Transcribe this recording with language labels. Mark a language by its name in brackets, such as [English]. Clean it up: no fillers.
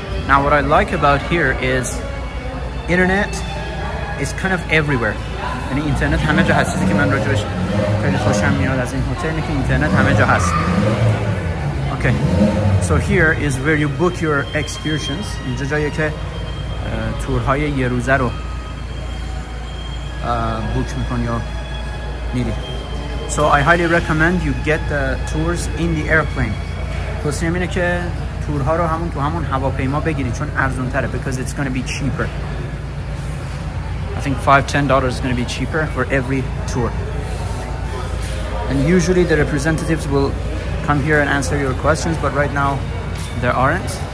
[English] Now what I like about here is internet is kind of everywhere. [Persian] یعنی اینترنت همه جا هست. چیزی که من راجبش خیلی خوشم میاد از این هتل اینه که اینترنت همه جا هست. [English] Okay. So here is where you book your excursions. [Persian] اینجا جایی که تورهای یه روزه رو بوک میکنی یا میری. [English] So I highly recommend you get the tours in the airplane. [Persian] توصیه‌م اینه که تورها رو همون تو همون هواپیما بگیری چون ارزون تره [English] because it's gonna be cheaper. I think $5-$10 is gonna be cheaper for every tour. And usually the representatives will come here and answer your questions, but right now there aren't.